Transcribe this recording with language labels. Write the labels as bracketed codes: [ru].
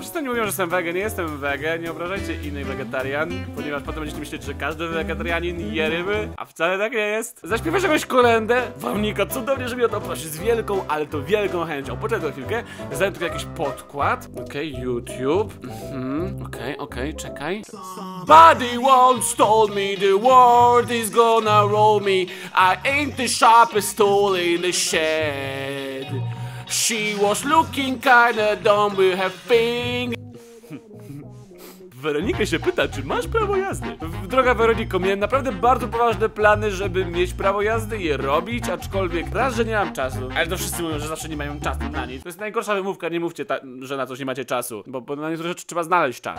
[pl] Wszyscy mi mówią, że jestem wege. Nie jestem wege. Nie obrażajcie innych wegetarian, ponieważ potem będziecie myśleć, że każdy wegetarianin je ryby. A wcale tak nie jest. Zaśpiewasz jakąś kolędę? Wamnika, cudownie, że mi o to prosi. Z wielką, ale to wielką chęcią. Poczekaj chwilkę. Znajdę tutaj jakiś podkład. Okej, okay, YouTube. Okej, czekaj. [en] Somebody once told me the world is gonna roll me. I ain't the sharpest tool in the shed. She was looking kinda dumb with her thing. [pl] Weronika się pyta, czy masz prawo jazdy? Droga Weroniko, miałem naprawdę bardzo poważne plany, żeby mieć prawo jazdy i je robić, aczkolwiek raz, że nie mam czasu. Ale to wszyscy mówią, że zawsze nie mają czasu na nic. To jest najgorsza wymówka, nie mówcie, że na coś nie macie czasu, bo na niektóre rzeczy trzeba znaleźć czas.